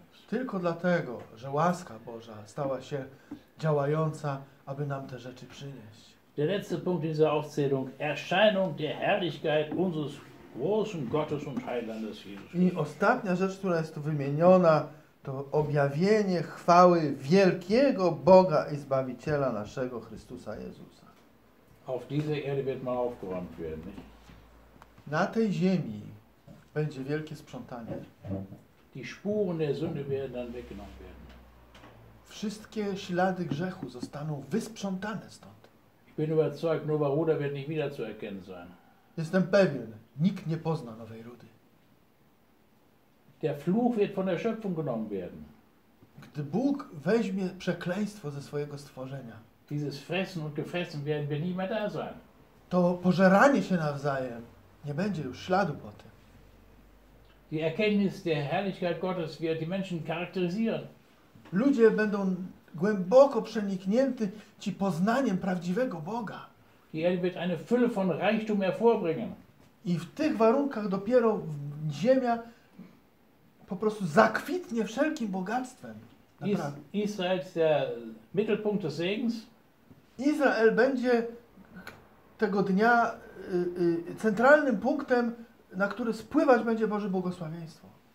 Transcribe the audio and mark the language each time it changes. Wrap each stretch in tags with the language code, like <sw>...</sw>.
<pl>Tylko dlatego, że łaska Boża stała się działająca, aby nam te rzeczy przynieść.</pl> <de>Der letzte Punkt dieser Aufzählung, Erscheinung der Herrlichkeit unseres großen Gottes und Heilandes Jesus.</de> <pl>I ostatnia rzecz, która jest tu wymieniona, to objawienie chwały wielkiego Boga i Zbawiciela naszego Chrystusa Jezusa.</pl> <de>Auf dieser Erde wird mal aufgeräumt werden.</de> <pl>Na tej ziemi będzie wielkie sprzątanie.</pl> <de>Die Spuren der Sünde werden dann weggenommen werden.</de> <pl>Wszystkie ślady grzechu zostaną wysprzątane stąd.</pl> <de>Ich bin überzeugt, Nowa Ruda wird nicht wieder zu erkennen sein.</de> <pl>Jestem pewien, nikt nie pozna Nowej Rudy.</pl> <de>Der Fluch wird von der Schöpfung genommen werden.</de> <pl>Gdy Bóg weźmie przekleństwo ze swojego stworzenia,</pl> <de>dieses Fressen und Gefressen werden wir nie mehr da sein.</de> <pl>To pożeranie się nawzajem nie będzie już śladu po tym.</pl> <de>Die Erkenntnis der Herrlichkeit Gottes wird die Menschen charakterisieren.</de> <pl>Ludzie będą głęboko przeniknięty ci poznaniem prawdziwego Boga.</pl> <de>Hier wird eine Fülle von Reichtum hervorbringen.</de> <pl>I w tych warunkach dopiero ziemia po prostu zakwitnie wszelkim bogactwem.</pl> <de>Israel ist der Mittelpunkt des Segens.</de> <pl>Izrael będzie tego dnia centralnym punktem, na który spływać będzie Boże błogosławieństwo.</pl>